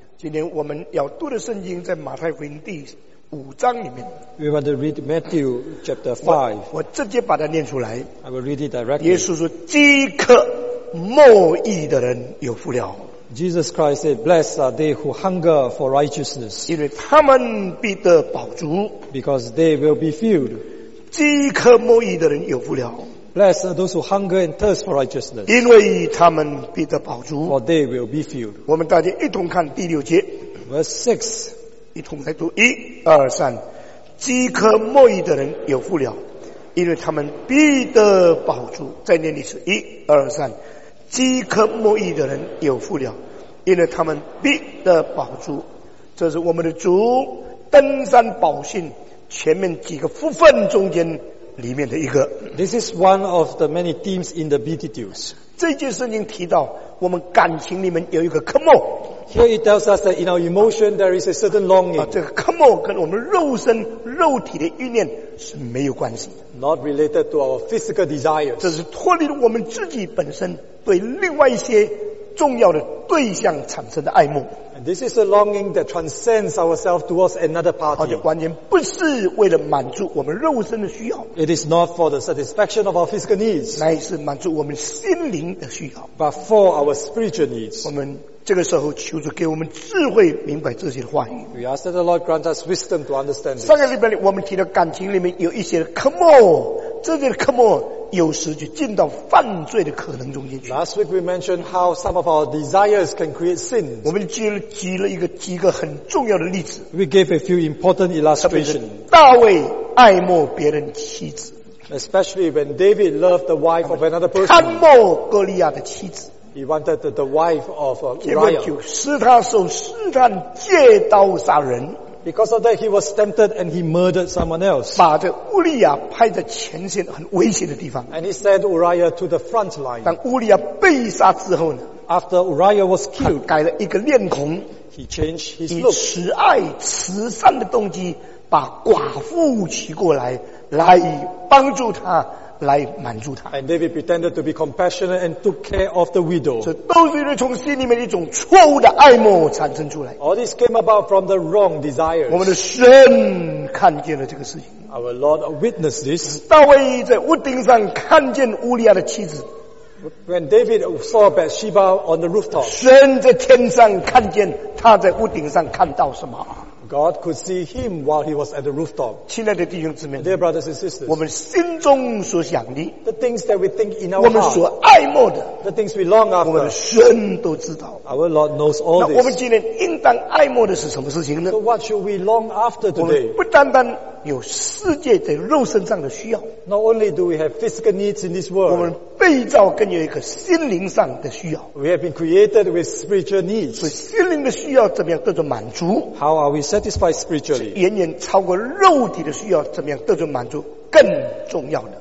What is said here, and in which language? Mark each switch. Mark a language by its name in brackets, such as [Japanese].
[Chinese] 今天我们要读的圣经在马太福音第五章里面。 [English] We want to read Matthew chapter 5. [Chinese] 我直接把它念出来。 [English] I will read it directly. [Chinese] 耶稣说：“饥渴慕义的人有福了。” [English] Jesus Christ said, "Blessed are they who hunger for righteousness." [Chinese] 因为他们必得饱足。 [English] Because they will be filled. [Chinese] 饥渴慕义的人有福了。 [English] Blessed are those who hunger and thirst for righteousness. [Chinese] 因为他们必得饱足。 [English] For they will be filled. [Chinese] 我们大家一同看第六节。 [English] Verse 6. [Chinese] 一同来读。一、二、三。饥渴慕义的人有福了。因为他们必得饱足。再念一次。一、二、三。饥渴慕义的人有福了。因为他们必得饱足。这是我们的主登山宝训前面几个福分中间里面的一个。 [English] This is one of the many themes in the Beatitudes. [Chinese] 这件事情提到我们感情里面有一个渴慕。 [English] Here it tells us that in our emotion there is a certain longing. [Chinese] 这个渴慕跟我们肉身肉体的欲念是没有关系。 [English] Not related to our physical desires. [Chinese] 这是脱离了我们自己本身对另外一些重要的对象产生的爱慕。 [English] And this is a longing that transcends ourselves towards another party. [Chinese] 而且完全不是为了满足我们肉身的需要。 [English] It is not for the satisfaction of our physical needs. [Chinese] 乃是满足我们心灵的需要。 [English] But for our spiritual needs. [Chinese] 我们这个时候求主给我们智慧明白这些话语。 [English] We ask that the Lord grant us wisdom to understand this. [Chinese] 上个礼拜我们提到感情里面有一些的渴慕，这些的渴慕有时就进到犯罪的可能中间去。 [English] Last week we mentioned how some of our desires can create sin. [Chinese] 我们举了几个很重要的例子。 [English] We gave a few important illustrations. [Chinese] 大卫爱慕别人妻子。 [English] Especially when David loved the wife of another person. [Chinese] 贪慕哥利亚的妻子。 [English] He wanted the wife of Uriah. [Chinese] 结果就使他受试探，借刀杀人。 [English] Because of that, he was tempted and he murdered someone else. [Chinese] 把这乌利亚派在前线很危险的地方。 [English] And he sent Uriah to the front line. [Chinese] 当乌利亚被杀之后呢 [English] ？After Uriah was killed, [Chinese] 改了一个面孔。 [English] He changed his look. [Chinese] 以慈爱、慈善的动机，把寡妇娶过来，来帮助他，来满足他。 [English] And David pretended to be compassionate and took care of the widow. [Chinese] 这都是因为从心里面一种错误的爱慕产生出来。 [English] All this came about from the wrong desires. [Chinese] 我们的神看见了这个事情。 [English] Our Lord witnessed this. [Chinese] 大卫在屋顶上看见乌利亚的妻子。 [English] When David saw Bathsheba on the rooftop. [Chinese] 神在天上看见他在屋顶上看到什么。 [English] God could see him while he was at the rooftop. [Chinese] 亲爱的弟兄姊妹， [English] dear brothers and sisters, [Chinese] 我们心中所想的， [English] the things that we think in our [Chinese] 我们所爱慕的， [English] the things we long after, [Chinese] 我们的神都知道。 [English] Our Lord knows all this. [Chinese] 那我们今天应当爱慕的是什么事情呢？ [English] So what should we long after today? [Chinese] 我们不单单有世界在肉身上的需要， [English] not only do we have physical needs in this world, [Chinese] 我们被造更有一个心灵上的需要。 [English] We have been created with spiritual needs. [Chinese] 所以心灵的需要怎么样得到满足？ [English] How are we satisfied spiritually? [Chinese] 远远超过肉体的需要，怎么样得到满足更重要呢？